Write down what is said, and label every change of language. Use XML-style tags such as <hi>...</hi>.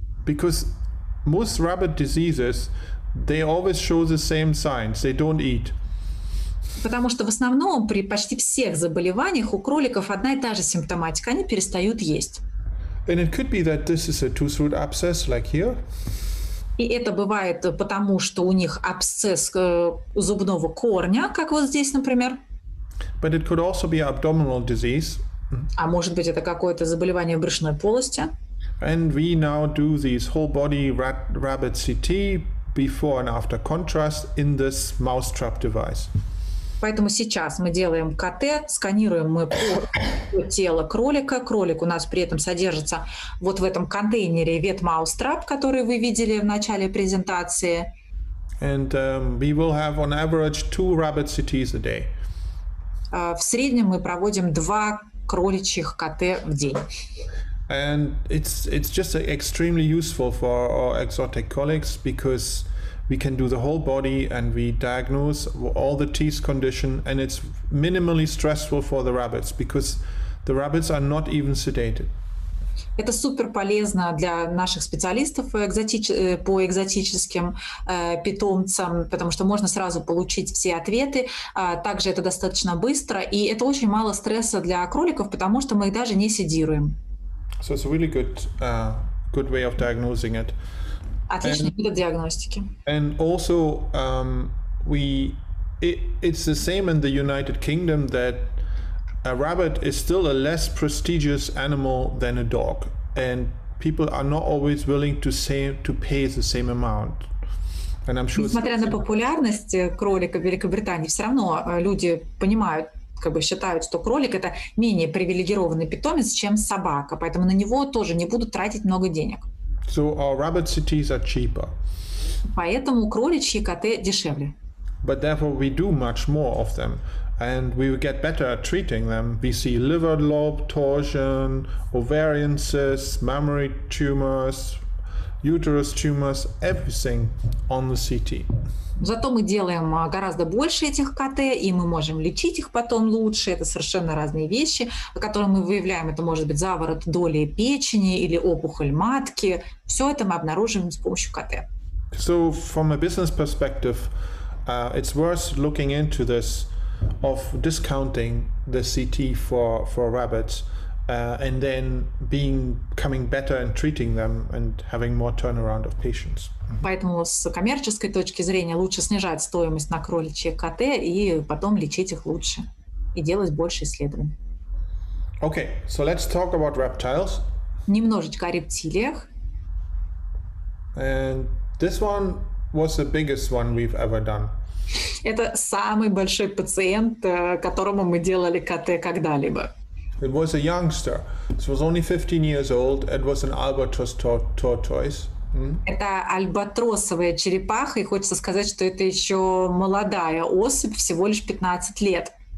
<en>Because most rabbit diseases, they always show the same signs. They don't eat.</en> <ru>Потому что в основном при почти всех заболеваниях у кроликов одна и та же симптоматика. Они перестают есть.</ru> <en>And it could be that this is a tooth-root abscess, like here.</en> <ru>И это бывает потому, что у них абсцесс зубного корня, как вот здесь, например.</ru> <en>But it could also be abdominal disease.</en> <ru>А может быть, это какое-то заболевание брюшной полости.</ru> <en>And we now do these whole body rabbit CT before and after contrast in this mousetrap device.</en> <ru>Поэтому сейчас мы делаем КТ, сканируем мы по тело кролика. Кролик у нас при этом содержится вот в этом контейнере ветмаустрап, который вы видели в начале презентации.</ru> <en>And we will have on average two rabbit CTs a day.</en> <ru>В среднем мы проводим два кроличьих КТ в день.</ru> <en>And it's just extremely useful for our exotic colleagues because we can do the whole body and we diagnose all the teeth condition, and it's minimally stressful for the rabbits because the rabbits are not even sedated.</en> <ru>Это супер полезно для наших специалистов по экзотическим питомцам, потому что можно сразу получить все ответы. Также это достаточно быстро, и это очень мало стресса для кроликов, потому что мы их даже не седируем.</ru> <en>So it's a really good way of diagnosing it.</en> <ru>Отличный метод диагностики.</ru> <en>And also, it's the same in the United Kingdom that a rabbit is still a less prestigious animal than a dog, and people are not always willing to pay the same amount. And I'm sure.</en> <ru>Несмотря на популярность кролика в Великобритании, все равно люди понимают, как бы считают, что кролик это менее привилегированный питомец, чем собака, поэтому на него тоже не будут тратить много денег.</ru> <en>So our rabbit CTs are cheaper.</en> <ru>Поэтому кроличьи КТ дешевле.</ru> <en>But therefore we do much more of them, and we get better at treating them. We see liver lobe torsion, ovarian cysts, mammary tumors, uterus tumors, everything on the CT.</en> <ru>Зато мы делаем гораздо больше этих КТ, и мы можем лечить их потом лучше. Это совершенно разные вещи, которые мы выявляем. Это может быть заворот доли печени или опухоль матки. Все это мы обнаруживаем с помощью КТ.</ru> <en>So from a business perspective, it's worth looking into this of discounting the CT for rabbits, and then becoming better in treating them and having more turnaround of patients.</en> <ru>Поэтому с коммерческой точки зрения лучше снижать стоимость на кроличье КТ и потом лечить их лучше и делать больше исследований.</ru> <en>Okay, so let's talk about reptiles.</en> <ru>Немножечко о рептилиях.</ru> <en>And this one was the biggest one we've ever done.</en> <ru>Это самый большой пациент, которому мы делали КТ когда-либо.</ru> <en>It was a youngster. So it was only 15 years old. It was an albatross tortoise.</en> <ru>Это альбатросовая черепаха, и хочется сказать, что это еще молодая особь, всего лишь 15 лет.</ru>